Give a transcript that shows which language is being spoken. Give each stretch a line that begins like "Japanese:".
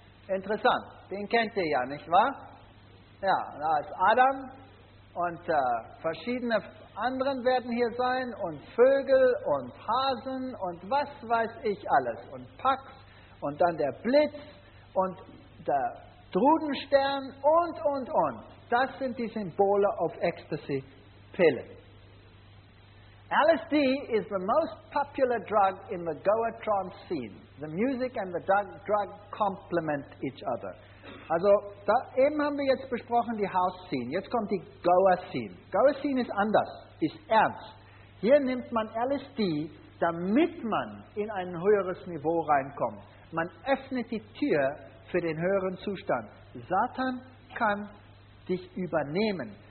German: Interessant, den kennt ihr ja, nicht wahr? Ja, da ist Adam und verschiedene anderen werden hier sein und Vögel und Hasen und was weiß ich alles. Und Pax und dann der Blitz und der Drudenstern und. Das sind die Symbole auf Ecstasy-Pillen.
English: LSD is the most popular drug in the Goa trance scene. The music and the drug complement each other.
German: Also, da eben haben wir jetzt besprochen die House Scene. Jetzt kommt die Goa Scene. Goa Scene ist anders, ist ernst. Hier nimmt man LSD, damit man in ein höheres Niveau reinkommt. Man öffnet die Tür für den höheren Zustand. Satan kann dich übernehmen.